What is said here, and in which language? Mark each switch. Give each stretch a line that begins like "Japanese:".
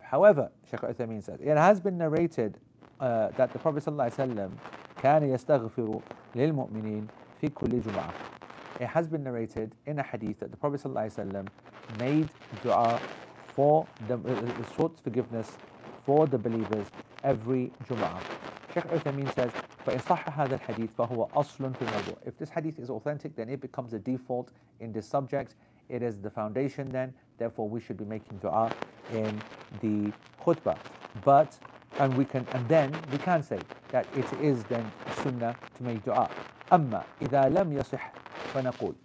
English: However, Sheikh Uthaymeen says, it has been narrated that the Prophet ﷺ
Arabic: كان يستغفر للمؤمنين في كل جمعة.
English: it has been narrated in a hadith that the Prophet sallallahu alaihi wasallam made dua for them, sought forgiveness for the believers every Jumu'ah. Sheikh Uthaymeen says,
Arabic: فَإِصَحَّ هَذَا الْحَدِيثِ فَهُوَ أَصْلٌ فِي الْمَوْضُوعِ.
English: If this hadith is authentic, then it becomes a default in this subject. It is the foundation then, therefore we should be making dua in the khutbah. But, and we can, and then we can say that it is then sunnah to make dua.
Arabic: أَمَّا إِذَا لَمْ يَصِحْ فَنَقُولُ.